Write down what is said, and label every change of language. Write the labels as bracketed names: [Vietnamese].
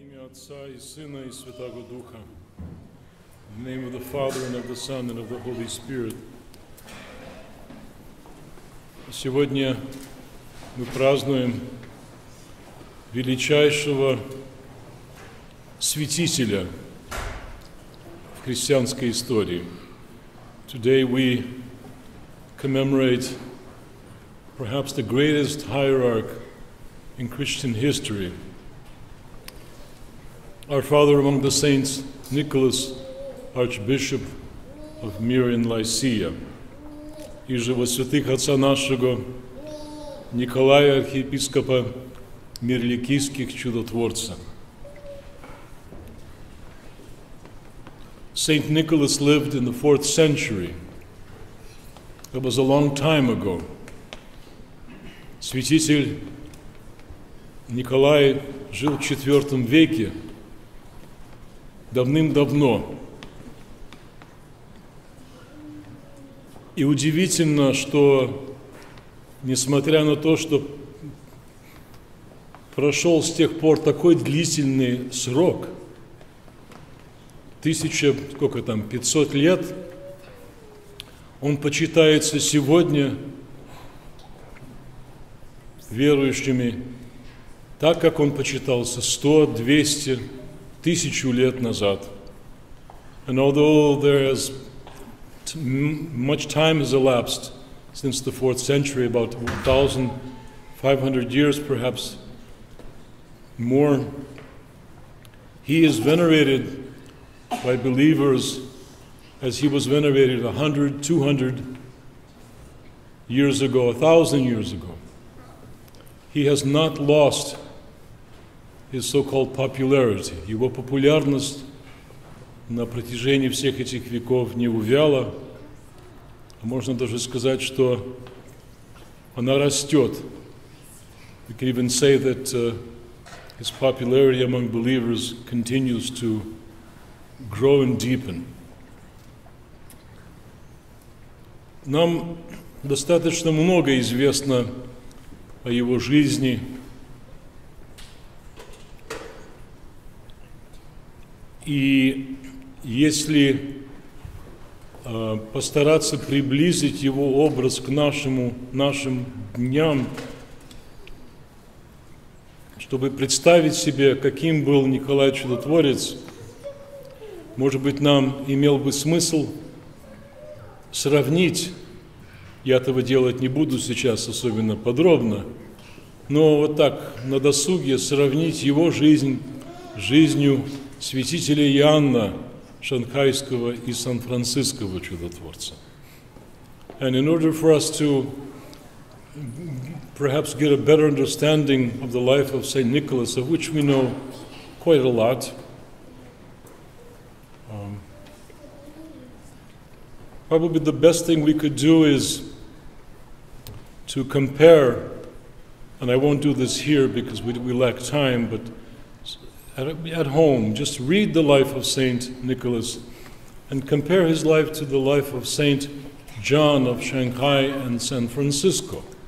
[Russian] Отца и Сына и Святого Духа. [English] In the name of the Father and of the Son and of the Holy Spirit. [Russian] Сегодня мы празднуем величайшего святителя в христианской истории. [English] Today we commemorate perhaps the greatest hierarch in Christian history. Our father among the saints, Nicholas, Archbishop of Myra in Lycia. [Russian] И же во святых отца нашего Николая, архиепископа Мирликийских, чудотворца. [English] Saint Nicholas lived in the 4th century. That was a long time ago. [Russian] Святитель Николай жил в 4 веке. Давным-давно. И удивительно, что, несмотря на то, что прошел с тех пор такой длительный срок, 1500 лет, он почитается сегодня верующими так, как он почитался 100-200 тысячу лет назад. [English] And although there is much time has elapsed since the 4th century, about 1,500 years perhaps more, he is venerated by believers as he was venerated 100, 200 years ago, 1,000 years ago. He has not lost his so-called popularity. [Russian] Его популярность на протяжении всех этих веков не увяла. Можно даже сказать, что она растет. [English] We can even say that his popularity among believers continues to grow and deepen. [Russian] Нам достаточно много известно о его жизни. И если постараться приблизить его образ к нашим дням, чтобы представить себе, каким был Николай Чудотворец, может быть, нам имел бы смысл сравнить, я этого делать не буду сейчас особенно подробно, но вот так, на досуге, сравнить его жизнь с жизнью святителя Иоанна Шанхайского и Сан-Франциского чудотворца. [English] And in order for us to perhaps get a better understanding of the life of Saint Nicholas, of which we know quite a lot, probably the best thing we could do is to compare, and I won't do this here because we lack time, but at home, just read the life of Saint Nicholas and compare his life to the life of Saint John of Shanghai and San Francisco.